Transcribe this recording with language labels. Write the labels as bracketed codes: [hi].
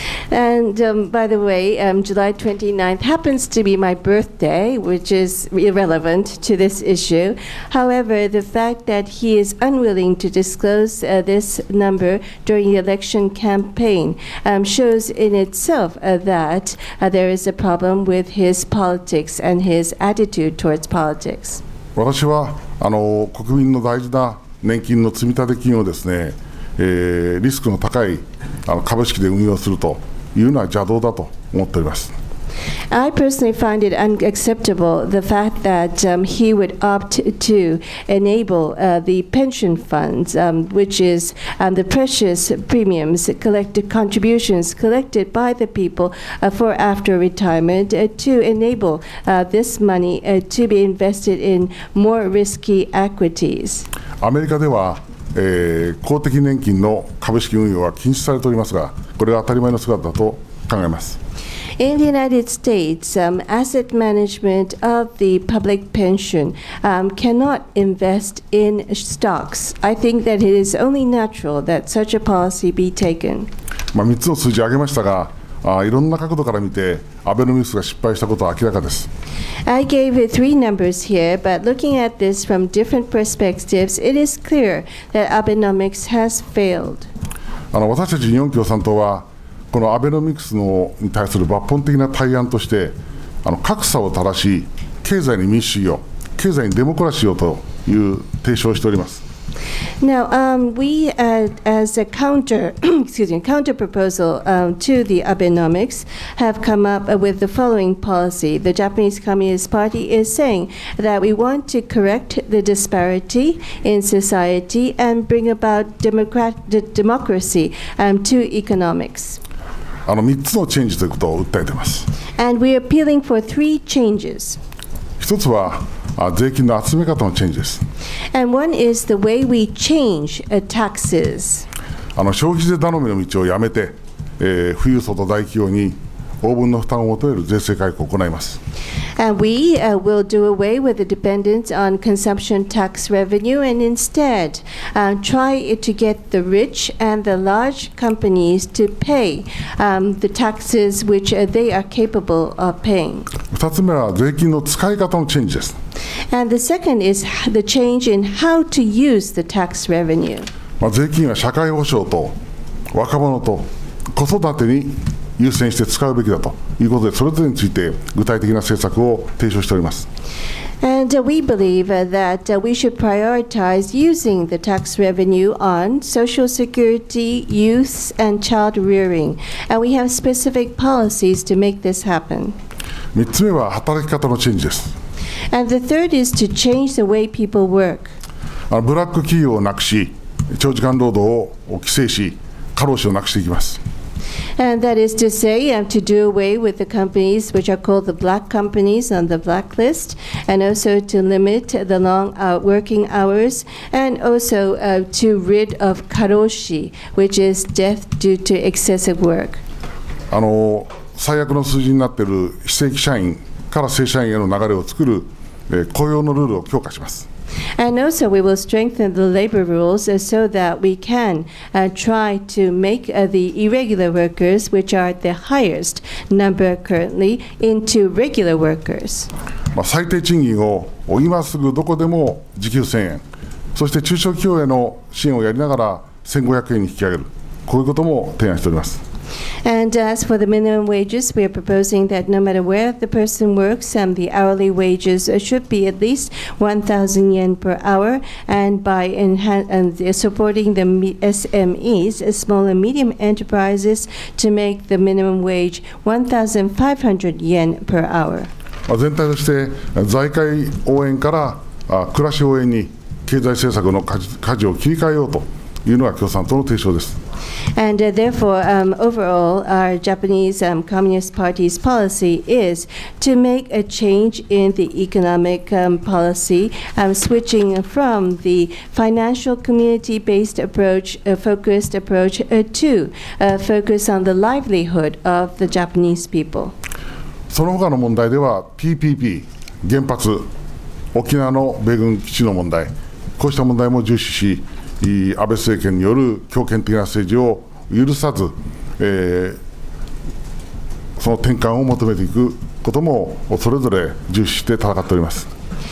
[en] And by the way, July 29th happens to be my birthday, which is irrelevant to this issue. However, the fact that he is unwilling to disclose this number during the election campaign shows in itself that there is a problem with his politics and his attitude towards politics. [ja] 私は国民の大事な年金の積立金をですね、リスクの高い株式で運用するというのは邪道だと思っております。 [en] I personally find it unacceptable the fact that he would opt to enable the pension funds, which is the precious premiums collected contributions collected by the people for after retirement, to enable this money to be invested in more risky equities. [ja] アメリカでは公的年金の株式運用は禁止されておりますが、これが当たり前の姿だと考えます。 [en] In the United States, asset management of the public pension cannot invest in stocks. I think that it is only natural that such a policy be taken. [ja] 3つの数字を挙げましたが、いろんな角度から見てアベノミクスが失敗したことは明らかです。 [en] I gave three numbers here, but looking at this from different perspectives, it is clear that Abenomics has failed. [ja] 私たち日本共産党はこのアベノミクスのに対する抜本的な対案として、格差を正し、経済に民主主義を、経済にデモクラシーをという提唱をしております。 [en] Now, we, as a counter, excuse me, counter proposal to the Abenomics, have come up with the following policy. The Japanese Communist Party is saying that we want to correct the disparity in society and bring about democracy to economics. [ja] 3つのチェンジということを訴えています。 [en] And we are appealing for three changes. [ja] 1つは税金の集め方のチェンジです。 [en] And one is the way we change taxes. [ja] 消費税頼みの道をやめて、富裕層と大企業に応分の負担を求める税制改革を行います。 [en] And we will do away with the dependence on consumption tax revenue and instead try to get the rich and the large companies to pay the taxes which they are capable of paying. [ja] 2つ目は税金の使い方のチェンジです。 [en] And the second is the change in how to use the tax revenue. [ja] 税金は社会保障と若者と子育てに優先して使うべきだということで、それぞれについて具体的な政策を提唱しております。 [en] And we believe that we should prioritize using the tax revenue on social security, youth and child rearing. And we have specific policies to make this happen. [ja] 3つ目は働き方のチェンジです。 [en] And the third is to change the way people work. [ja] ブラック企業をなくし、長時間労働を規制し、過労死をなくしていきます。 [en] And that is to say, to do away with the companies which are called the black companies on the blacklist, and also to limit the long working hours, and also to rid of karoshi, which is death due to excessive work. [ja] 最悪の数字になっている非正規社員から正社員への流れを作る、雇用のルールを強化します。 [en] And also we will strengthen the labor rules so that we can try to make the irregular workers, which are the highest number currently, into regular workers. [ja] まあ、最低賃金を今すぐどこでも時給1000円、そして中小企業への支援をやりながら1500円に引き上げる、こういうことも提案しております。 [en] And as for the minimum wages, we are proposing that no matter where the person works, the hourly wages should be at least 1,000 yen per hour. And by supporting the SMEs, small and medium enterprises, to make the minimum wage 1,500 yen per hour. [ja] 全体として財界応援から暮らし応援に経済政策の舵を切り替えようというのが共産党の提唱です。 [en] And therefore, overall, our Japanese Communist Party's policy is to make a change in the economic policy, switching from the financial community-based approach, focused approach, to focus on the livelihood of the Japanese people. [ja] その他の問題では PPP、原発、沖縄の米軍基地の問題、こうした問題も重視し、安倍政権による強権的な政治を許さず、その転換を求めていくこともそれぞれ重視して戦っております。